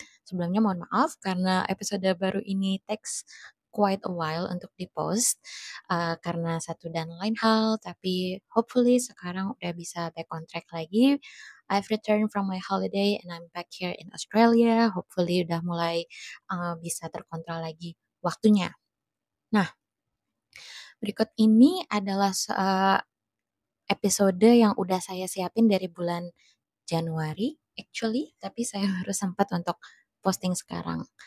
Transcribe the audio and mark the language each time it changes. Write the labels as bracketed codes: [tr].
[id] Sebelumnya mohon maaf karena episode baru ini teks [en] quite a while [id] untuk di-post karena satu dan lain hal, tapi [en] hopefully [id] sekarang udah bisa [en] back on track [id] lagi. [en] I've returned from my holiday and I'm back here in Australia. [id] Hopefully udah mulai bisa terkontrol lagi waktunya. Nah, berikut ini adalah episode yang udah saya siapin dari bulan Januari [en] actually, [id] tapi saya baru sempat untuk posting sekarang.